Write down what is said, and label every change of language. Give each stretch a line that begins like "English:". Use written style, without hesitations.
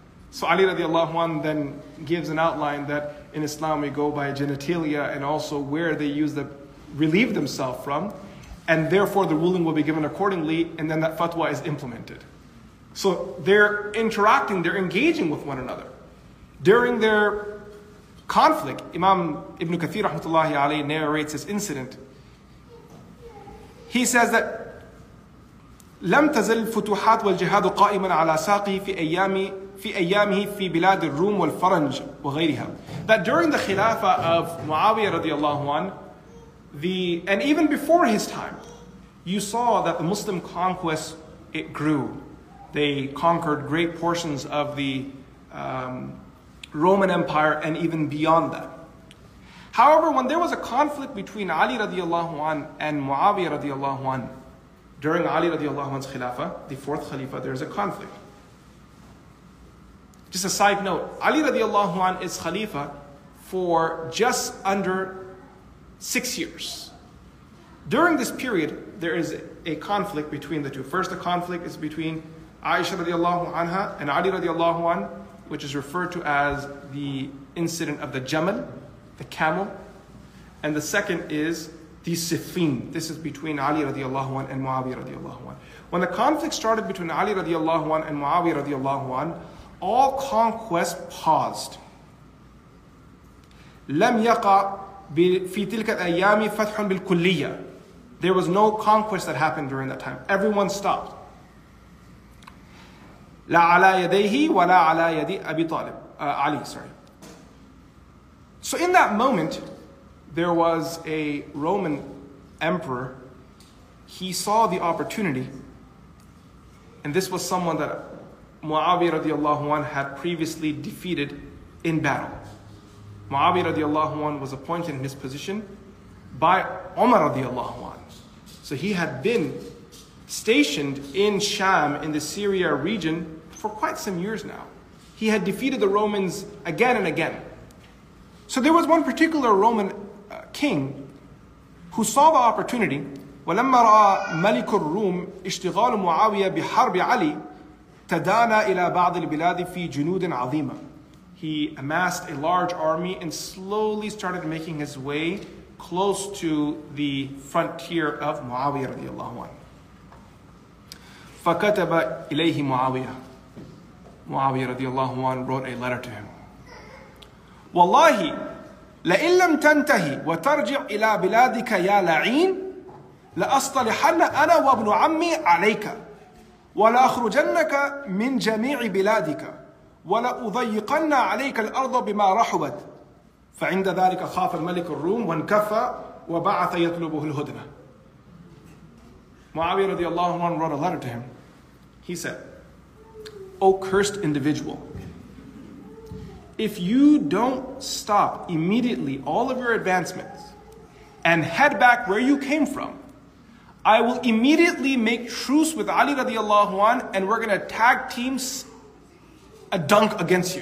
English: So Ali radiallahu anhu then gives an outline that in Islam we go by genitalia and also where they use the relieve themselves from. And therefore the ruling will be given accordingly, and then that fatwa is implemented. So they're interacting, they're engaging with one another. During their conflict, Imam Ibn Kathir rahmatullahi alayhi narrates this incident. He says that
Arabic: لَمْ تَزَلْ فُتُوحَاتُ وَالْجِهَادُ قَائِمًا عَلَىٰ سَاقِهِ فِي أَيَّامِهِ فِي بِلَادِ الرُّومِ وَالْفَرَنْجِ وَغَيْرِهَا.
English: That during the Khilafah of Muawiyah radiallahu anhu, and even before his time, you saw that the Muslim conquest, it grew. They conquered great portions of the Roman Empire and even beyond that. However, when there was a conflict between Ali radiallahu anhu and Muawiyah radiallahu anhu, during Ali radiallahu anhu's khilafah, the fourth khalifa, there is a conflict. Just a side note, Ali radiallahu anhu is khalifa for just under 6 years. During this period, there is a conflict between the two. First, the conflict is between Aisha radiallahu anha and Ali radiallahu anhu, which is referred to as the incident of the Jamal, the camel. And the second is the Siffin. This is between Ali radiallahu anhu and Muawiyah radiallahu anhu. When the conflict started between Ali radiallahu anhu and Muawiyah radiallahu anhu, all conquest paused.
Arabic: لم يقع في تلك الأيام فتح بالكلية.
English: There was no conquest that happened during that time. Everyone stopped.
Arabic: لا على يديه ولا على يدي أبي طالب.
English: Ali, sorry. So in that moment, there was a Roman emperor. He saw the opportunity. And this was someone that Muawiyah radiallahu anhu had previously defeated in battle. Muawiyah radiallahu anhu was appointed in his position by Umar radiallahu anhu. So he had been stationed in Sham, in the Syria region, for quite some years now. He had defeated the Romans again and again. So there was one particular Roman king who saw the opportunity.
Arabic: وَلَمَّا رَأَى مَلِكُ الرُّومِ اشْتِغَالُ مُعَاوِيَةَ بِحَرْبِ عَلِيٍّ تَدَانَى إِلَى بَعْضِ الْبِلَادِ فِي جُنُودٍ عَظِيمًا.
English: he amassed a large army and slowly started making his way close to the frontier of Muawiyah radiallahu anhu.
Arabic: فَكَتَبَ إِلَيْهِ مُعَوِيَةً
English: Muawiyah radiallahu anhu wrote a letter to him.
Arabic: وَاللَّهِ لَإِنْ لَمْ تَنْتَهِ وَتَرْجِعْ إِلَىٰ بِلَادِكَ يَا لَعِينَ لَأَصْطَلِحَنَّ أَنَا وَابْنُ عَمِّي عَلَيْكَ وَلَأَخْرُجَنَّكَ مِنْ جَمِيعِ بِلَادِكَ وَلَأُضَيِّقَنَّ عَلَيْكَ الْأَرْضَ بِمَا رَحُبَتْ فَعِنْدَ ذَلِكَ خَافَ الْمَلِكُ الرُّومِ وَانْكَفَ وَبَعَثَ يَطْلُبُهُ الْهُدْنَ
English: Muawiyah radiallahu anhu wrote a letter to him. He said, O cursed individual, if you don't stop immediately all of your advancements and head back where you came from, I will immediately make truce with Ali radiallahu anhu and we're going to tag team a dunk against you.